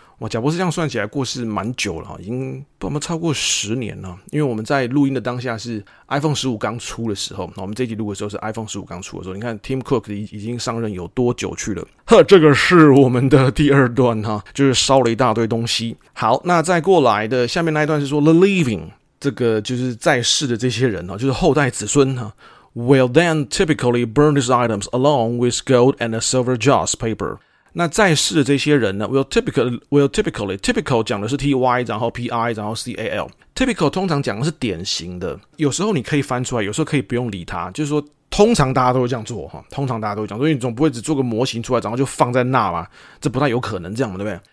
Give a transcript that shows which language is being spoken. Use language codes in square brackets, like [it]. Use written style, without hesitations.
[zh] 哇，贾博士这样算起来过世蛮久了，已经不知道超过十年了，因为我们在录音的当下是 iPhone 15刚出的时候，我们这集录的时候是 iPhone 15刚出的时候，你看 Tim Cook 已经上任有多久去了。呵，这个是我们的第二段，就是烧了一大堆东西。好，那再过来的下面那一段是说 The Living， 这个就是在世的这些人，就是后代子孙， [en] will then typically burn his items along with gold and a silver joss paper。 [zh] 那在世的这些人呢 [en] will typical [zh] 讲的是 ty 然后 pi 然后 cal， typical 通常讲的是典型的，有时候你可以翻出来，有时候可以不用理他，就是说通常大家都会这样做，通常大家都会这样做，因为你总不会只做个模型出来然后就放在那吧，这不太有可能这样嘛，对不对？